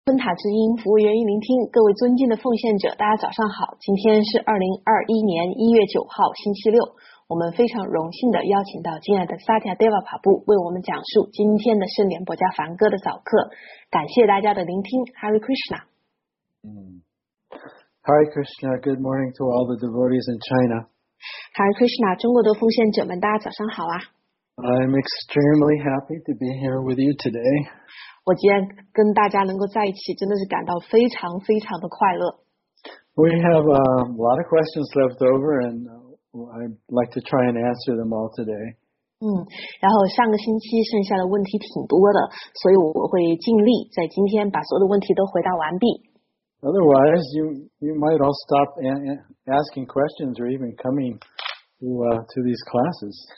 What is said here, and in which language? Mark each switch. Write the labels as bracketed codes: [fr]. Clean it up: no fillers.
[zh] 春塔之音，服务员一聆听，各位尊敬的奉献者，大家早上好。今天是2021年1月9号，星期六。我们非常荣幸的邀请到敬爱的萨提亚德瓦帕布为我们讲述今天的圣莲伯加梵歌的早课。感谢大家的聆听 ，Hare Krishna。 [en] Hare Krishna, good morning to all the devotees in China. [zh] Hare Krishna, 中国的奉献者们，大家早上好啊。 [en] I'm extremely happy to be here with you today. [zh] 我今天跟大家能够在一起，真的是感到非常非常的快乐。 [en] We have a lot of questions left over, and I'd like to try and answer them all today. [zh] 然后上个星期剩下的问题挺多的，所以我会尽力在今天把所有的问题都回答完毕。 [en] Otherwise, you might all stop asking questions or even coming to these classes.